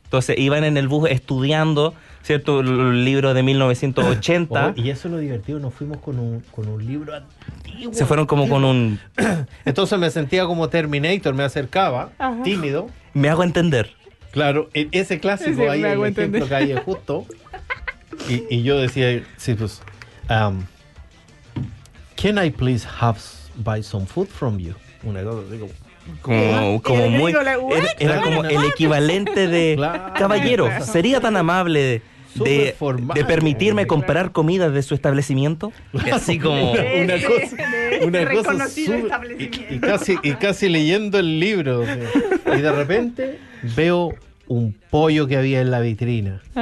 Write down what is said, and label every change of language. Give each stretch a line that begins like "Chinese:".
Spanish: Entonces iban en el bus estudiando, ¿cierto? El libro de 1980. Y eso es lo divertido, nos fuimos con un libro antiguo. Se fueron como con un... Entonces me sentía como Terminator, me acercaba, tímido. Me hago entender. Claro, ese clásico ahí, el ejemplo que hay es justo. Y yo decía, sí, pues...
English: can I please have buy some food from you?
Spanish: Una cosa así como... Como muy, digo, era como el equivalente de caballero, sería tan amable de permitirme comprar comida de su establecimiento, así como una cosa sub, y casi leyendo el libro, o sea, y de repente veo un pollo que había en la vitrina.